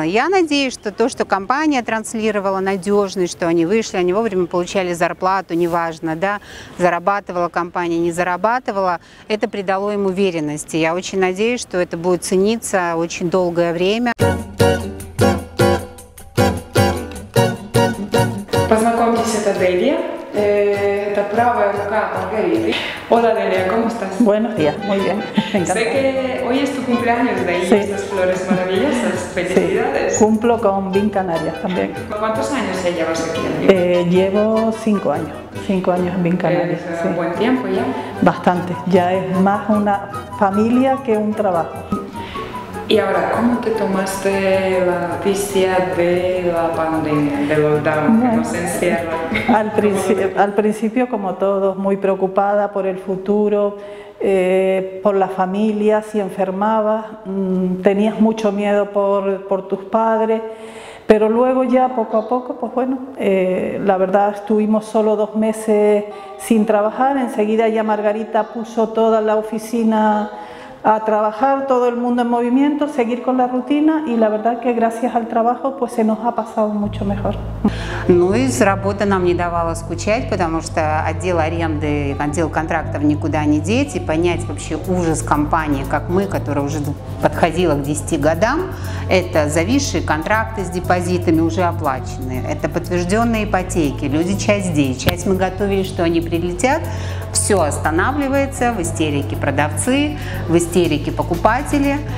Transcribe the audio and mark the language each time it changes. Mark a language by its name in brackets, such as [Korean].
[Russian] Я надеюсь, что то, что компания транслировала надежность, что они вышли, они вовремя получали зарплату, неважно, да, зарабатывала компания, не зарабатывала, это придало им уверенности. Я очень надеюсь, что это будет цениться очень долгое время. Познакомьтесь, это Дели. Это правая рука Маргариты. [Spanish] Hola, Delia, ¿cómo estás? Buenos días, muy bien. Sé que hoy es tu cumpleaños de ahí, sí. Esas flores maravillosas. Felicidades. Sí. Cumplo con Vin Canarias también. ¿Cuántos años ya llevas aquí? Llevo 5 años. 5 años en Vin Canarias. Es un buen tiempo ya. Bastante. Ya es más una familia que un trabajo. Y ahora, ¿cómo te tomaste la noticia de la pandemia, de lockdown, que nos encierra? Al principio, como todos, muy preocupada por el futuro, por la familia, si enfermabas, tenías mucho miedo por tus padres, pero luego ya poco a poco, pues bueno, la verdad estuvimos solo 2 meses sin trabajar, enseguida ya Margarita puso toda la oficina a trabajar, todo el mundo en movimiento, seguir con la rutina, y la verdad que gracias al trabajo pues se nos ha pasado mucho mejor. [Russian] Ну и с работы нам не давало скучать, потому что отдел аренды, отдел контрактов никуда не деть, и понять вообще ужас компании, как мы, которая уже подходила к 10 годам, это зависшие контракты с депозитами, уже оплаченные, это подтвержденные ипотеки, люди часть здесь, часть мы готовили, что они прилетят, все останавливается, в истерике продавцы, в истерике покупатели.